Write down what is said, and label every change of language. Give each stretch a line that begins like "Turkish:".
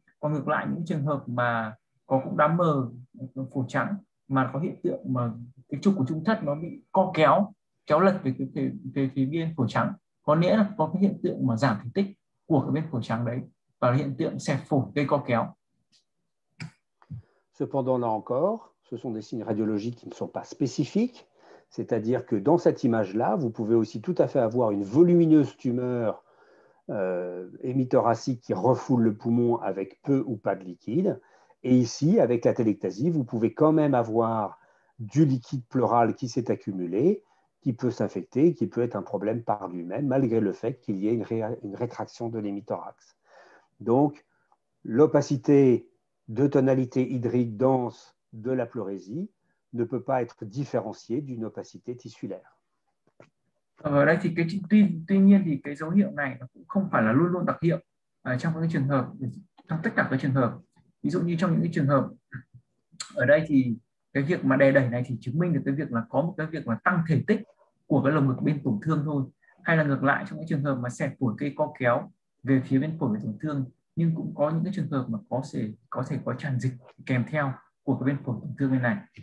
Vietnamese: Còn ngược lại những trường hợp mà có cũng đám mờ phổi trắng mà có hiện tượng mà cái trục của trung thất nó bị co kéo kéo lệch về cái phía bên phổi trắng, có nghĩa là có cái hiện tượng mà giảm thể tích của cái bên phổi trắng đấy và hiện tượng xẹp phổi gây co kéo.
French: Cependant, là encore, ce sont des signes radiologiques qui ne sont pas spécifiques, c'est-à-dire que dans cette image-là, vous pouvez aussi tout à fait avoir une volumineuse tumeur hémithoracique qui refoule le poumon avec peu ou pas de liquide. Et ici, avec l'atélectasie, vous pouvez quand même avoir du liquide pleural qui s'est accumulé, qui peut s'infecter, qui peut être un problème par lui-même, malgré le fait qu'il y ait une rétraction de l'hémithorax. Donc, l'opacité de tonalité hydrique dense de la pleurésie ne peut pas être différenciée d'une opacité tissulaire.
Vietnamese: Ở đây thì tuy nhiên thì cái dấu hiệu này nó cũng không phải là luôn luôn đặc hiệu trong các trường hợp, trong tất cả các trường hợp, ví dụ như trong những cái trường hợp ở đây thì cái việc mà đè đẩy này thì chứng minh được cái việc là có một cái việc mà tăng thể tích của cái lồng ngực bên tổn thương thôi, hay là ngược lại trong cái trường hợp mà xẹp phổi gây co kéo về phía bên phổi tổn thương, nhưng cũng có những cái trường hợp mà có thể có tràn dịch kèm theo của cái bên phổi tổn thương bên này.